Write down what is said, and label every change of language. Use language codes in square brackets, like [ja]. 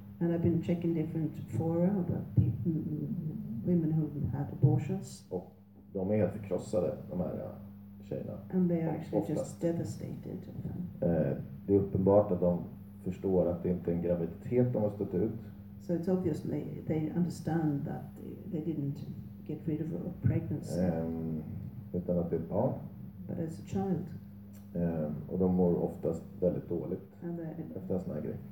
[en] And I've been checking different fora about women who had abortions. [sv] Och de är helt förkrossade, de här tjejerna. [en] And they are actually just devastated. [sv] Det är uppenbart att de förstår att det inte är en graviditet de har stött ut. [en] So it's obvious they understand that they didn't get rid of a pregnancy. [sv] Utan att det är barn. [en] But as a child. [sv] Och de mår oftast väldigt dåligt efter såna grejer.